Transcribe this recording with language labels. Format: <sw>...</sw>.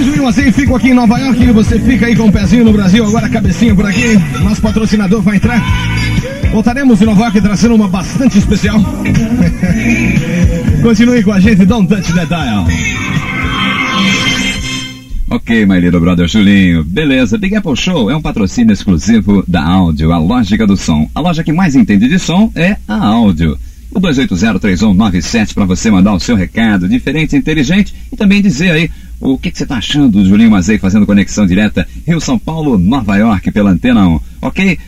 <pt>Assim, fico aqui em Nova York e você fica aí com um pezinho no Brasil, agora cabecinha por aqui. Nosso patrocinador vai entrar. Voltaremos em Nova York trazendo uma bastante especial. Continue com a gente,</pt> <en>don't touch that dial. Ok, my little brother Julinho.</en> <pt>Beleza, Big Apple Show é um patrocínio exclusivo da Áudio, a lógica do som. A loja que mais entende de som é a Áudio. O 2803197 para você mandar o seu recado diferente, inteligente, e também dizer aí o que você está achando do Julinho Mazei fazendo conexão direta Rio-São Paulo-Nova York pela Antena 1, ok?</pt>